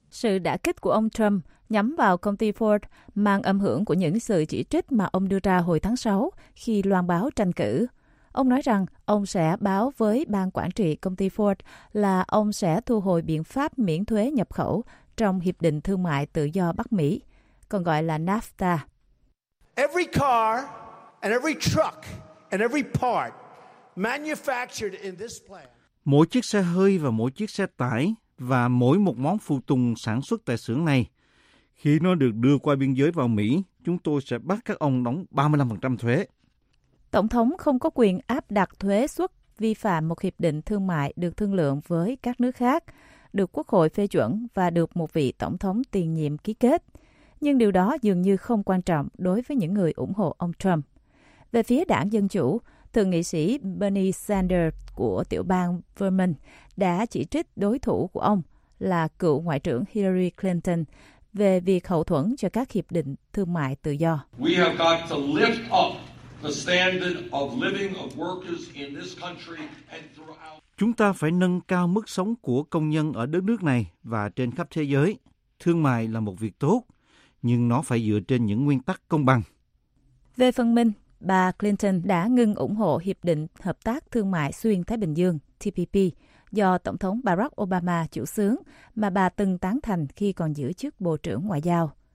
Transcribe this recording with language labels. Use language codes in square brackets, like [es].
[vi] Sự đả kích của ông Trump nhắm vào công ty Ford mang âm hưởng của những sự chỉ trích mà ông đưa ra hồi tháng 6 khi loan báo tranh cử. Ông nói rằng ông sẽ báo với ban quản trị công ty Ford là ông sẽ thu hồi biện pháp miễn thuế nhập khẩu trong Hiệp định Thương mại Tự do Bắc Mỹ, còn gọi là NAFTA. [en] Every car and every truck and every part manufactured in this plant. [vi] Mỗi chiếc xe hơi và mỗi chiếc xe tải và mỗi một món phụ tùng sản xuất tại xưởng này, khi nó được đưa qua biên giới vào Mỹ, chúng tôi sẽ bắt các ông đóng 35% thuế. Tổng thống không có quyền áp đặt thuế suất vi phạm một hiệp định thương mại được thương lượng với các nước khác, được Quốc hội phê chuẩn và được một vị tổng thống tiền nhiệm ký kết. Nhưng điều đó dường như không quan trọng đối với những người ủng hộ ông Trump. Về phía đảng Dân Chủ, Thượng nghị sĩ Bernie Sanders của tiểu bang Vermont đã chỉ trích đối thủ của ông là cựu Ngoại trưởng Hillary Clinton về việc hậu thuẫn cho các hiệp định thương mại tự do. [en] We have got to lift up the standard of living of workers in this country and throughout. [vi] Chúng ta phải nâng cao mức sống của công nhân ở đất nước này và trên khắp thế giới. Thương mại là một việc tốt, nhưng nó phải dựa trên những nguyên tắc công bằng. Về phần mình, bà Clinton đã ngừng ủng hộ Hiệp định Hợp tác Thương mại Xuyên Thái Bình Dương, TPP, do Tổng thống Barack Obama chủ xướng mà bà từng tán thành khi còn giữ chức Bộ trưởng Ngoại giao.